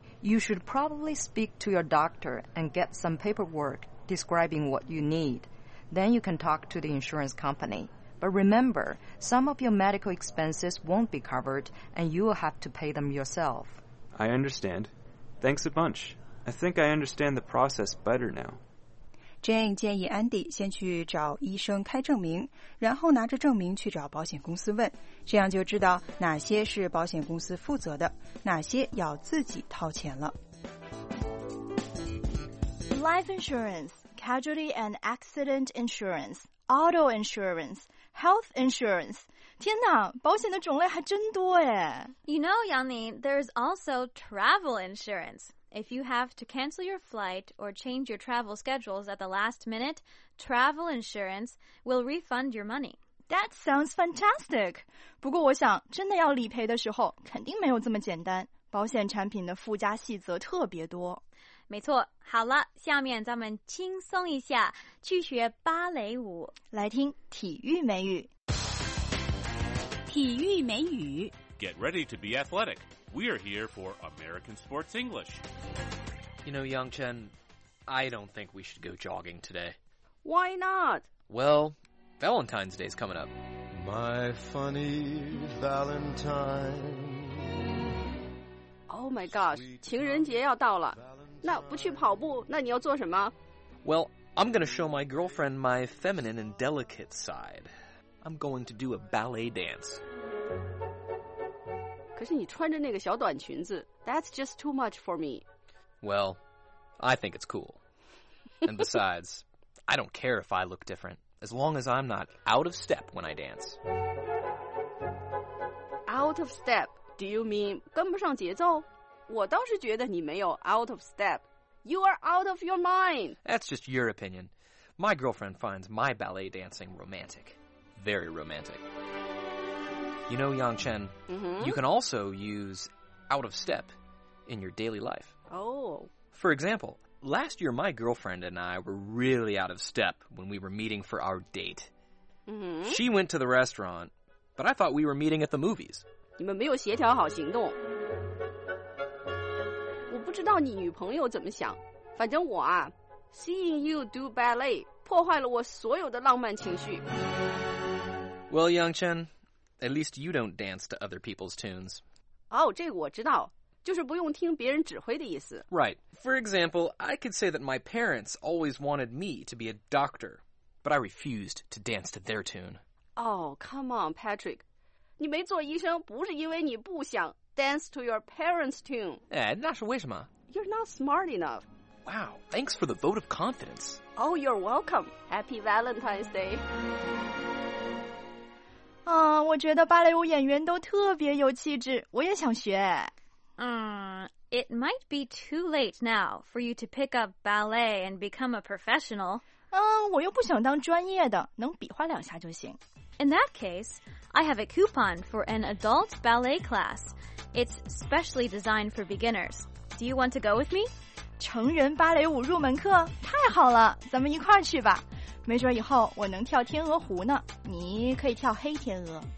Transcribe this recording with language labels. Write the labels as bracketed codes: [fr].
[en] You should probably speak to your doctor and get some paperwork describing what you need. Then you can talk to the insurance company. But remember, some of your medical expenses won't be covered and you will have to pay them yourself. I understand. Thanks a bunch. I think I understand the process better now. [zh] Jane 建议 Andy 先去找医生开证明，然后拿着证明去找保险公司问，这样就知道哪些是保险公司负责的，哪些要自己掏钱了。 [en] Life insurance, casualty and accident insurance, auto insurance, health insurance. [zh] 天哪，保险的种类还真多耶。 [en] You know, Yanni, there's also travel insurance. If you have to cancel your flight or change your travel schedules at the last minute, travel insurance will refund your money. That sounds fantastic! [zh] 不过我想真的要理赔的时候肯定没有这么简单，保险产品的附加细则特别多。没错，好了，下面咱们轻松一下，去学芭蕾舞。来听体育美语。体育美语。 [en] Get ready to be athletic. We are here for American Sports English. You know, Yangchen, I don't think we should go jogging today. Why not? Well, Valentine's Day is coming up. My funny Valentine. Oh my gosh, [zh] 情人节要到了。那不去跑步，那你要做什么？ [en] Well, I'm going to show my girlfriend my feminine and delicate side. I'm going to do a ballet dance. [zh] 可是你穿着那个小短裙子 [en] That's just too much for me. Well, I think it's cool. And besides, I don't care if I look different, as long as I'm not out of step when I dance. Out of step? Do you mean [zh] 跟不上节奏？我倒是觉得你没有 out of step. [en] You are out of your mind. That's just your opinion. My girlfriend finds my ballet dancing romantic. Very romantic. You know, Yangchen,、you can also use out of step in your daily life. Oh. For example, last year my girlfriend and I were really out of step when we were meeting for our date.、She went to the restaurant, but I thought we were meeting at the movies. [zh] 你们没有协调好行动。我不知道你女朋友怎么想。反正我啊 , [en] seeing you do ballet [zh] 破坏了我所有的浪漫情绪。 [en] Well, Yangchen,At least you don't dance to other people's tunes. [zh] Oh, 这个我知道，就是不用听别人指挥的意思。 [en] Right. For example, I could say that my parents always wanted me to be a doctor, but I refused to dance to their tune. Oh, come on, Patrick. [zh] 你没做医生不是因为你不想 [en] dance to your parents' tune. [zh] 哎，那是为什么？ [en] You're not smart enough. Wow, thanks for the vote of confidence. Oh, you're welcome. Happy Valentine's Day. [zh] 我觉得芭蕾舞演员都特别有气质，我也想学。 [en] It might be too late now for you to pick up ballet and become a professional. [zh] 我又不想当专业的，能比划两下就行。 [en] In that case, I have a coupon for an adult ballet class. It's specially designed for beginners. Do you want to go with me? [zh] 成人芭蕾舞入门课？太好了，咱们一块儿去吧。没准以后我能跳天鹅湖呢，你可以跳黑天鹅。